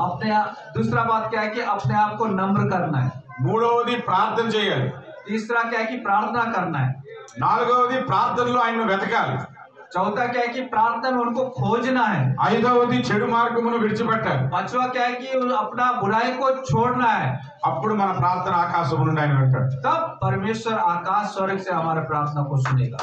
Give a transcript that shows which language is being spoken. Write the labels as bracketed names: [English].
[Hindi] अपने दूसरा बात क्या है कि अपने आप को नम्र करना है। [Telugu] మూడోది ప్రార్థన చేయాలి। [Hindi] तीसरा क्या है कि प्रार्थना करना है। [Telugu] నాలుగోది ప్రార్థనలో ఆయన వెతకాలి। [Hindi] चौथा क्या है कि प्रार्थना में उनको खोजना है। [Telugu] ఐదవది చెడు మార్గమును విడిచిపెట్టాలి। [Hindi] पांचवा क्या है कि अपना बुराई को छोड़ना है। [Telugu] అప్పుడు మన ప్రార్థన ఆకాశము నుండి ఆయన వింటాడు। [Hindi] तब परमेश्वर आकाश स्वर्ग से हमारे प्रार्थना को सुनेगा।